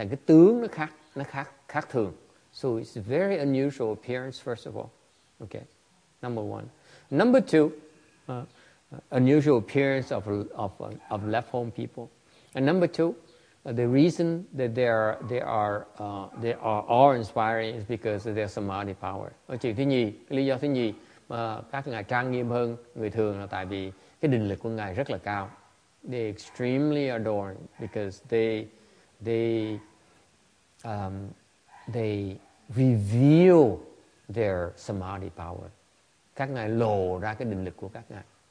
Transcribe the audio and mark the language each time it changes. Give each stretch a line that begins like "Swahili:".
Vietnamese: Tại cái tướng nó khác thường.
English: So it's a very unusual appearance, first of all. Okay. Number one. Number two, unusual appearance of left home people. And number two, the reason that they are awe inspiring is because of their samadhi power.
Vietnamese: Okay, thứ nhì, lý do thứ nhì mà các ngài trang nghiêm hơn người thường là tại vì cái định lực của ngài rất là cao.
English: They extremely adorned because they reveal their samadhi power.
Vietnamese: Các ngài lộ ra cái định lực của các ngài.